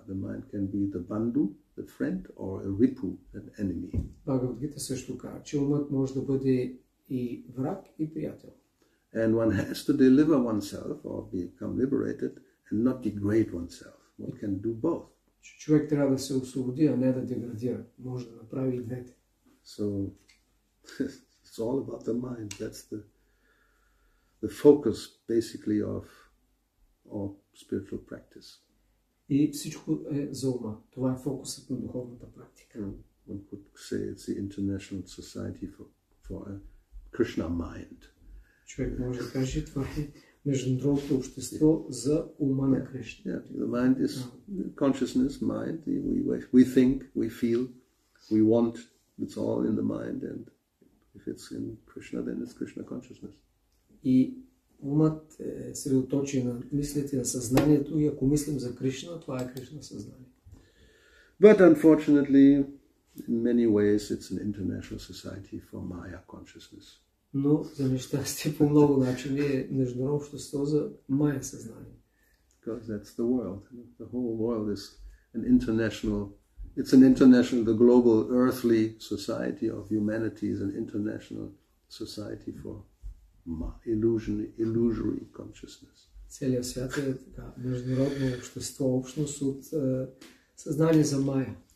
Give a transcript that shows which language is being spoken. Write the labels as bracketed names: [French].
[English] The mind can be the Bandu, the friend, or a Ripu, an enemy. [Bulgarian] Bhagavad Gita също казва, че умът може да бъде и враг, и приятел. [English] And one has to deliver oneself or become liberated and not degrade oneself. One can do both. [Bulgarian] Човек трябва да се освободи, а не да деградира. Може да направи и двете. [English] So, it's all about the mind. That's the focus, basically, of all spiritual practice. [Bulgarian] И всичко е за ума. Това е фокусът на духовната практика. [English] One could say it's the International Society for a Krishna Mind. [Bulgarian] Човек може да каже това. Международното общество за ума на Кришна. [English] Yeah, the mind is consciousness, mind. We think, we feel, we want. It's all in the mind, and if it's in Krishna, then it's Krishna consciousness. [Bulgarian] И умът е съсредоточен на мислите, на съзнанието, и ако мислим за Кришна, това е Кришна съзнание. [English] But unfortunately, in many ways, it's an international society for Maya consciousness. [Bulgarian] Но за нещастие по много начини е международно общество за майя съзнание. [English] Because that's the world. The whole world is an international, it's an international, the global earthly society of humanity is an international society for illusory consciousness. [Bulgarian] Целият свят е така, международно общество, общност от съзнание за майя.